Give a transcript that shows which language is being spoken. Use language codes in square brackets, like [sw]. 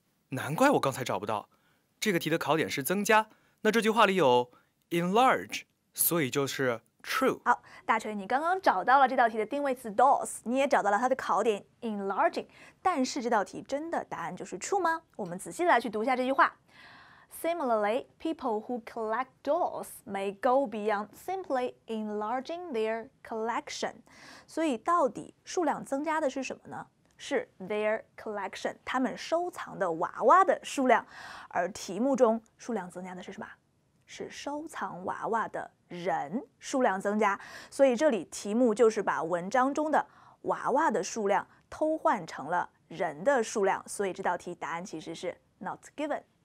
[zh] 难怪我刚才找不到，这个题的考点是增加，那这句话里有 enlarge， 所以就是 true。好，大锤，你刚刚找到了这道题的定位词 doors， 你也找到了它的考点 enlarging， 但是这道题真的答案就是 true 吗？我们仔细来去读一下这句话。 [en] Similarly, people who collect doors may go beyond simply enlarging their collection。 [zh] 所以到底数量增加的是什么呢？是 their collection， 他们收藏的娃娃的数量。而题目中数量增加的是什么？是收藏娃娃的人数量增加。所以这里题目就是把文章中的娃娃的数量偷换成了人的数量，所以这道题答案其实是 not given。